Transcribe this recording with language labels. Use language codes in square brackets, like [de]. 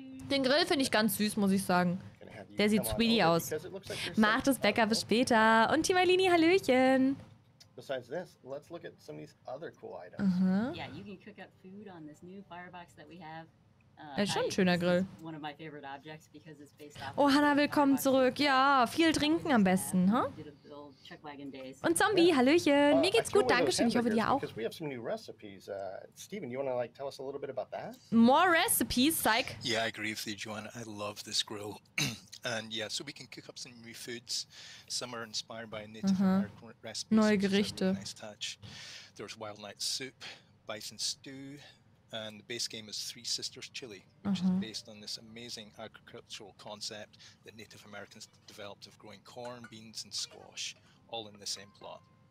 [de] Den Grill finde ich ganz süß, muss ich sagen. Der sieht sweetie aus. Macht es Bäcker bis später. Und Timalini, Hallöchen. [en] Besides this, let's look at some of these other cool items. Yeah, you can cook up food on this new firebox that we have. [de] Er ist schon ein schöner Grill. [en] One of my favorite objects because it's based off. [de] Oh, Hannah, willkommen zurück. Ja, viel trinken am besten, ha? Huh? Und Zombie, Hallöchen. Mir geht's gut, danke schön. Ich hoffe dir auch. [en] We have some new recipes. Steven, you want to like tell us a little bit about that? More recipes, psych. Yeah, I agree with you, Joanne. I love this grill. And yeah, so we can cook up some new foods. Some are inspired by Native American recipes. [de] Neue Gerichte. [en] A nice touch. There's wild night soup, bison stew. And the base game is Three Sisters Chili, which is based on this amazing agricultural concept that Native Americans developed of growing corn, beans and squash, all in the same plot.